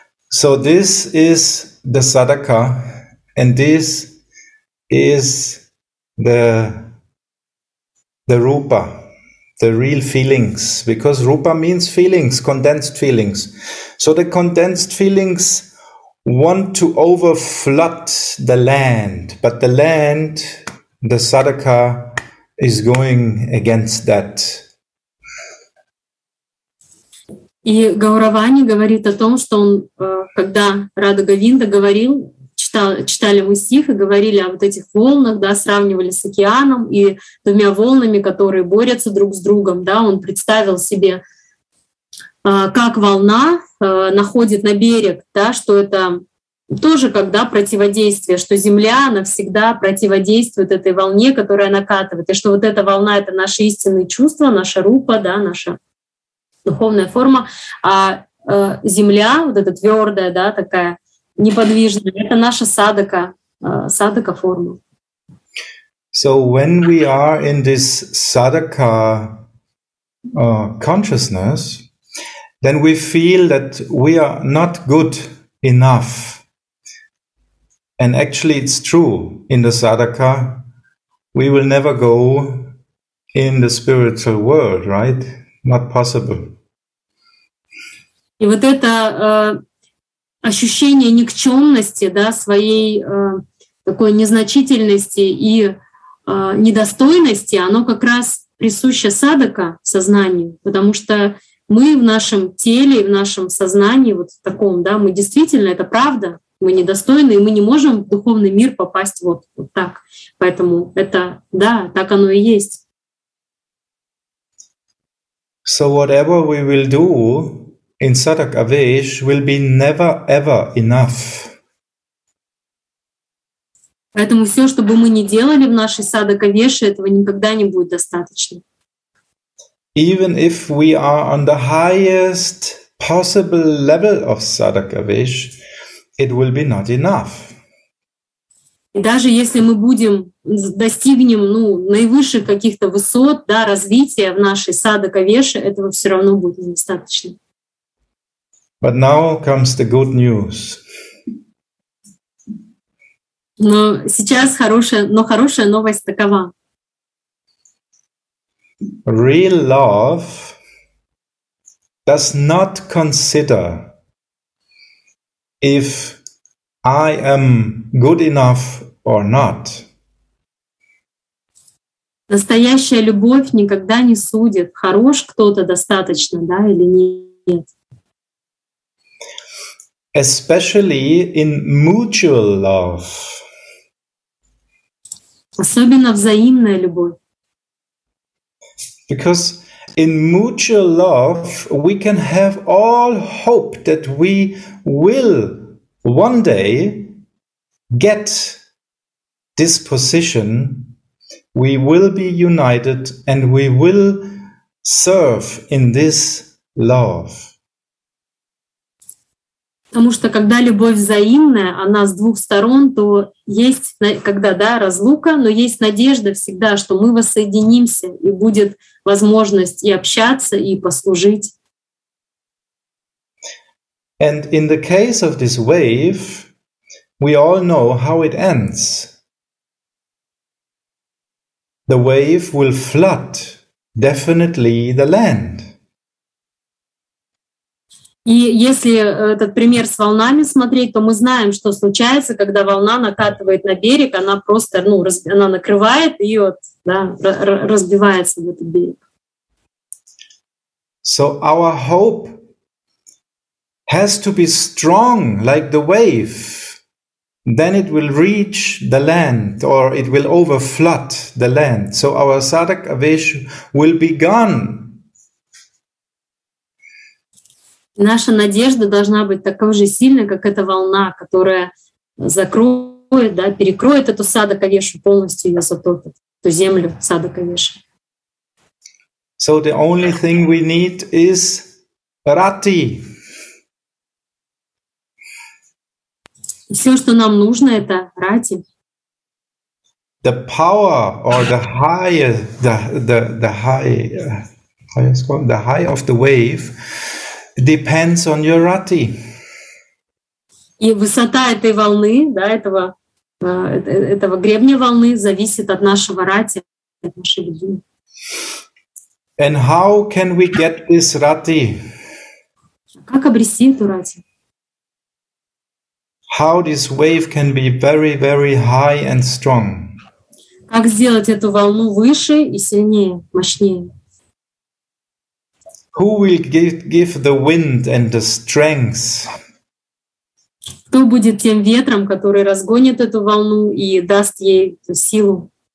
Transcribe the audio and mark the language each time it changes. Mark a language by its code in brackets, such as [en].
[en] So this is the sadaka, and this is the rupa, the real feelings, because rupa means feelings, condensed feelings. So the condensed feelings want to overflood the land, but the land, the sadaka, is going against that. [ru] И Гауравани говорит о том, что он, когда Радха Говинда говорил, читали мы стих и говорили о вот этих волнах, да, сравнивали с океаном и двумя волнами, которые борются друг с другом. Да, он представил себе, как волна находит на берег, да, что это тоже когда противодействие, что земля навсегда противодействует этой волне, которая накатывает, и что вот эта волна — это наши истинные чувства, наша рупа, да, наша духовная форма, а земля, вот эта твердая, да, такая, неподвижная. Это наша садака, садака форма. [en] So when we are in this садака consciousness, then we feel that we are not good enough. And actually it's true, in the садака we will never go in the spiritual world, right? Not possible. [ru] И вот это ощущение никчемности, да, своей такой незначительности и недостойности, оно как раз присуще садака, сознанию, потому что мы в нашем теле, в нашем сознании, вот в таком, да, мы действительно, это правда, мы недостойны, и мы не можем в духовный мир попасть вот так. Поэтому это, да, так оно и есть. [en] So whatever we will do, in Sadak Avesh will be never ever enough. [ru] Поэтому все, что бы мы ни делали в нашей Садак Авеше, этого никогда не будет достаточно. [en] Even if we are on the highest possible level of Sadak Avesh, it will be not enough. [ru] Даже если мы будем достигнем наивысших каких-то высот, да, развития в нашей Садак Авеше, этого все равно будет недостаточно. [en] But now comes the good news. [ru] Но сейчас хорошая новость такова. [en] Real love does not consider if I am good enough or not. [ru] Настоящая любовь никогда не судит, хорош кто-то достаточно, да, или нет. [en] Especially in mutual love. [ru] Особенно взаимная любовь. [en] Because in mutual love we can have all hope that we will one day get this position, we will be united and we will serve in this love. [ru] Потому что когда любовь взаимная, она с двух сторон, то есть, когда, да, разлука, но есть надежда всегда, что мы воссоединимся, и будет возможность и общаться, и послужить. [en] And in the case of this wave, we all know how it ends. The wave will flood definitely the land. [ru] И если этот пример с волнами смотреть, то мы знаем, что случается, когда волна накатывает на берег, она просто, она накрывает ее, да, разбивается в этот берег. [en] So our hope has to be strong, like the wave. Then it will reach the land, or it will overflood the land. So our Sadak Avesh will be gone. [ru] Наша надежда должна быть такой же сильной, как эта волна, которая закроет, да, перекроет эту Садак Авешу, полностью ее затопит, эту землю Садак Авеши. [en] So the only thing we need is Рати. [ru] Все, что нам нужно, это Рати. [en] The power or the high of the wave depends on your rati. [ru] И высота этой волны, да, этого гребня волны зависит от нашего рати, от нашей любви. [en] And how can we get this rati? [ru] Как обрести эту рати? [en] How this wave can be very, very high and strong? [ru] Как сделать эту волну выше и сильнее, мощнее? [en] Who will give the wind and the strength? [ru] Кто будет тем ветром, который разгонит эту волну и даст ей эту силу?